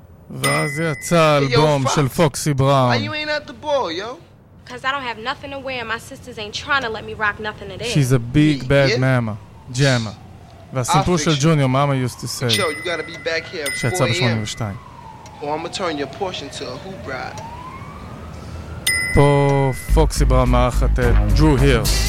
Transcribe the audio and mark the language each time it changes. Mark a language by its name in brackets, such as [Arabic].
[Hebrew] ואז יצא אלבום של פוקסי בראון. [English] Why you ain't at the ball, yo? Cause I don't have nothing to wear. My sisters ain't trying to let me rock nothing today. She's a big bad mama, Gemma. [Hebrew] והסיפור של ג'וניור, מאמה [English] used to say. Yo, you gotta be back here. [Hebrew] שיצא ב-82. [English] Or I'ma turn your portion to a hoop ride. [Hebrew] פה פוקסי בראון מארחת את דרו היל.